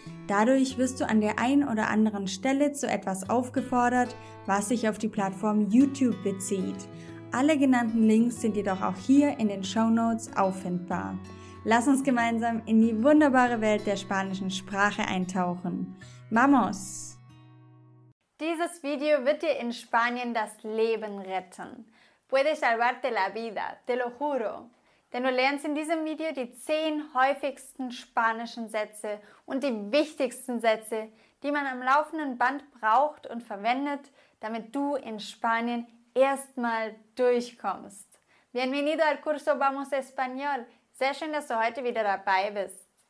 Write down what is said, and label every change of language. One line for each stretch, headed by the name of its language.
German: Dadurch wirst du an der einen oder anderen Stelle zu etwas aufgefordert, was sich auf die Plattform YouTube bezieht. Alle genannten Links sind jedoch auch hier in den Shownotes auffindbar. Lass uns gemeinsam in die wunderbare Welt der spanischen Sprache eintauchen.
Spanish: ¡Vamos!
German: Dieses Video wird dir in Spanien das Leben retten.
Spanish: Puede salvarte la vida, te lo juro.
German: Denn du lernst in diesem Video die 10 häufigsten spanischen Sätze und die wichtigsten Sätze, die man am laufenden Band braucht und verwendet, damit du in Spanien erstmal durchkommst.
Spanish: Bienvenido al curso Vamos Español.
German: Sehr schön, dass du heute wieder dabei bist.